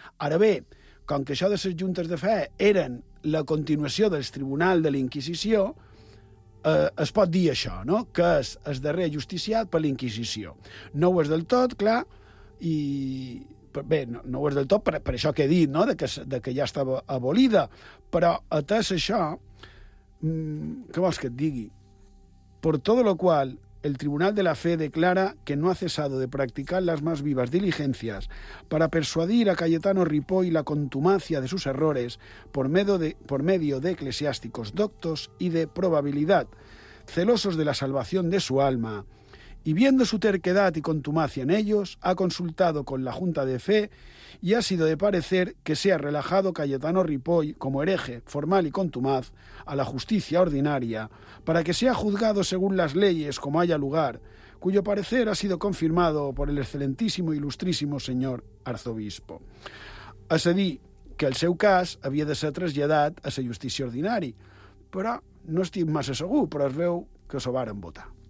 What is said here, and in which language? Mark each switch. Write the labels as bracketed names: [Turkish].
[Catalan] Ara bé, com que això de les juntes de fe eren la continuació del tribunal de la Inquisició, es pot dir això, no?, que és el darrer justiciat per la Inquisició. No ho és del tot, clar, i... Bé, no ho és del tot per això que he dit, no?, de que ja estava abolida. Però, atès això, què vols que et digui? [Spanish] Por todo lo cual, el Tribunal de la Fe declara que no ha cesado de practicar las más vivas diligencias para persuadir a Cayetano Ripoll la contumacia de sus errores por medio de eclesiásticos doctos y de probabilidad, celosos de la salvación de su alma... Y viendo su terquedad y contumacia en ellos, ha consultado con la Junta de Fe y ha sido de parecer que se ha relajado Cayetano Ripoll como hereje formal y contumaz a la justicia ordinaria para que sea juzgado según las leyes como haya lugar, cuyo parecer ha sido confirmado por el excelentísimo e ilustrísimo señor arzobispo. [Catalan] Es a dir, que el seu cas havia de ser traslladat a la justícia ordinària, però no estic massa segur, però es veu que s'ho varen votar.